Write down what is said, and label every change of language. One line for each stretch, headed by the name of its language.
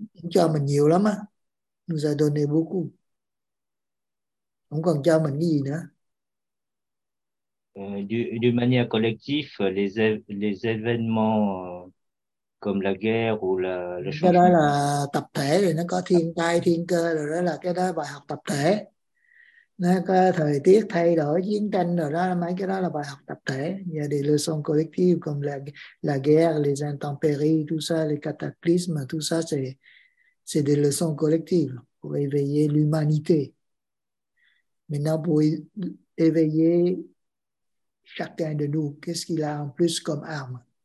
Vietnamese: Cho mình nhiều lắm á, nó sẽ
French: donate beaucoup,
Vietnamese: không còn cho mình cái gì nữa.
French: De manière collective, les événements comme la guerre ou le
Vietnamese: Cái đó
French: changement climatique.
Vietnamese: là tập thể rồi, nó có thiên tai thiên cơ rồi, đó là cái đó bài học tập thể, nó có thời tiết thay đổi chiến tranh rồi, đó mấy cái đó là bài học tập thể.
French: Il y a des leçons collectives comme la guerre, les intempéries, tout ça, les cataclysmes, tout ça c'est des leçons collectives pour éveiller l'humanité. Maintenant, pour éveiller chacun de nous, qu'est-ce qu'il a en plus comme arme?